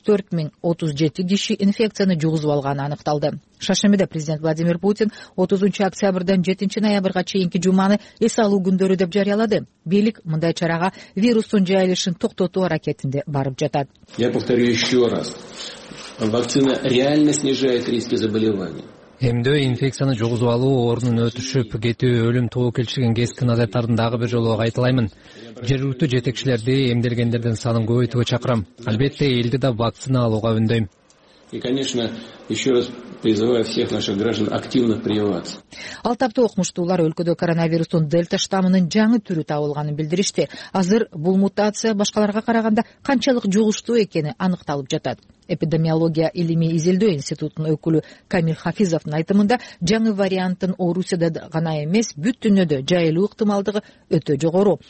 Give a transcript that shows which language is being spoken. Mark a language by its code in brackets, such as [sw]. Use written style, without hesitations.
[ky] 34037 киши инфекцияны жугузуп алганы аныкталды. Шашембиде президент Владимир Путин 30-октябрдан 7-ноябрга чейинки жуманы эс алуу күндөрү деп жарыялады. Бийлик мындай чарага вирустун жайылышын токтотуу аракетинде барып жатат. [ru] Я повторю еще раз. Вакцина реально снижает риски заболевания. [ky] Эмдөө инфекцияны жугузуп алуу орнун өтүшүп кетүү өлүм тобу келчилген кескин азаттардын дагы бир жолу кайталаймын. Жергиликтүү жетекчилерди эмделгендердин санын көбөйтүүгө чакырам. Албетте элди да вакцина алууга үндөйм. [ru] И, конечно, еще раз призываю всех наших граждан активно прививаться. [ky] Алты апта окумуштуулар өлкөдө коронавирустун дельта штаммынын жаңы түрү табылганын билдиришти. Азыр бул мутация башкаларга караганда канчалык жугуштуу экени аныкталып жатат. Эпидемиология илимий изилдөө институтунун өкүлү Камиль Хафизовдун айтымында жаңы варианттын Орусияда гана эмес, бүт дүйнөдө жайылуу ыктымалдыгы өтө жогору.